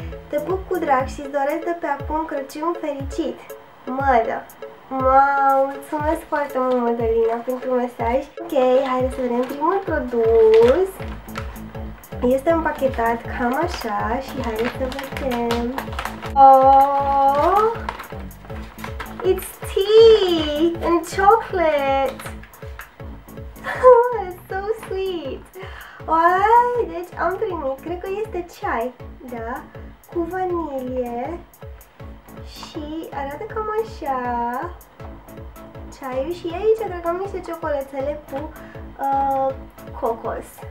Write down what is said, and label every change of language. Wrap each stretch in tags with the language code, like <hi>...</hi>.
<ro>Te pup cu drag și doresc de pe acum Crăciun fericit. Mădă! Wow, mulțumesc foarte mult, Madalina, pentru mesaj. Ok, hai să vedem primul produs. Este împachetat cam așa și hai să vedem.</ro> <en>Oh, it's tea and chocolate. It's so sweet.</en> <ro>Uai, deci am primit, cred că este ceai, da, cu vanilie și arată cam așa ceaiul și aici cred că am niște ciocolățele cu cocos.</ro>